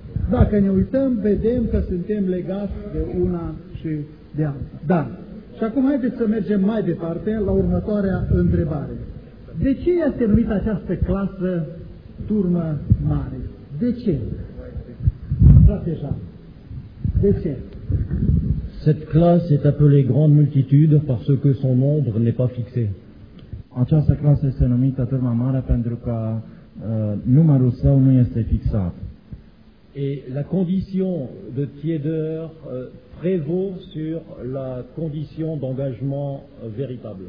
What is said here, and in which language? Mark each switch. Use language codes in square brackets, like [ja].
[ro] Dacă ne uităm, vedem că suntem legați de una și de alta. Da. Și acum haideți să mergem mai departe la următoarea întrebare. De ce este numită această clasă turmă mare? De ce? Frate Jean. [fr] Cette classe est appelée grande multitude parce que son nombre n'est pas fixé. [ro] Această clasă este numită turma mare pentru că numărul său nu este fixat. [fr] Et la condition de tiédeur prévaut sur la condition d'engagement véritable.